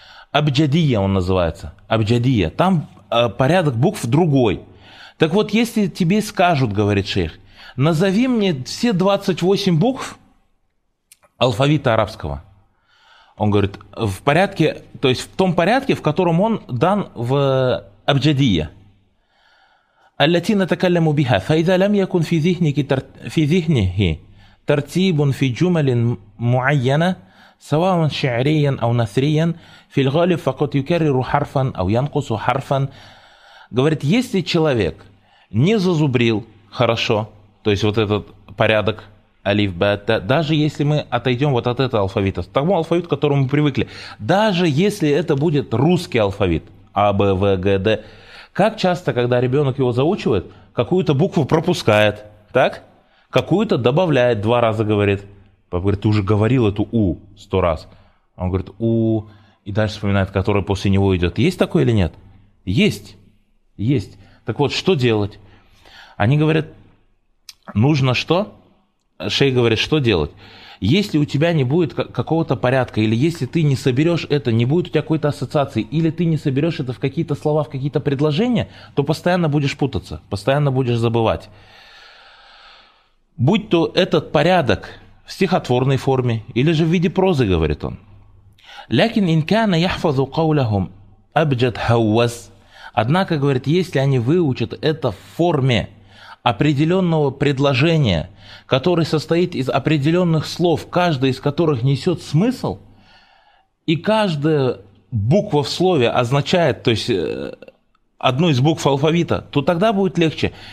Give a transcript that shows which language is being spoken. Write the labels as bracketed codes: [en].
[ru] Абджадия он называется. Абджадия. Там порядок букв другой. Так вот, если тебе скажут, говорит шейх, назови мне все 28 букв алфавита арабского. Он говорит, в порядке, то есть в том порядке, в котором он дан в Абджадия. [ar] التي نتكلم بها فإذا لم يكن في ذهنك في ذهنه ترتيب في جمل معينة سواء شعريا أو نثريا في الغالب فقط يكرر حرفا أو ينقص حرفا. [ru] Говорит, если человек не зазубрил хорошо, то есть вот этот порядок алиф, бета, даже если мы отойдем вот от этого алфавита, тому алфавиту, к которому мы привыкли, даже если это будет русский алфавит, А, Б, В, Г, Д, как часто, когда ребенок его заучивает, какую-то букву пропускает, так? Какую-то добавляет, два раза говорит. Папа говорит, ты уже говорил эту У 100 раз. Он говорит, У, и дальше вспоминает, которая после него идет. Есть такое или нет? Есть, есть. Так вот, что делать? Они говорят, нужно что? Шейх говорит, что делать? Если у тебя не будет какого-то порядка, или если ты не соберешь это, не будет у тебя какой-то ассоциации, или ты не соберешь это в какие-то слова, в какие-то предложения, то постоянно будешь путаться, постоянно будешь забывать. Будь то этот порядок в стихотворной форме, или же в виде прозы, говорит он. [ar] لكن إن كان يحفظ قولهم أبجد هواس. [ru] Однако, говорит, если они выучат это в форме определенного предложения, который состоит из определенных слов, каждый из которых несет смысл, и каждая буква в слове означает, то есть одну из букв алфавита, то тогда будет легче.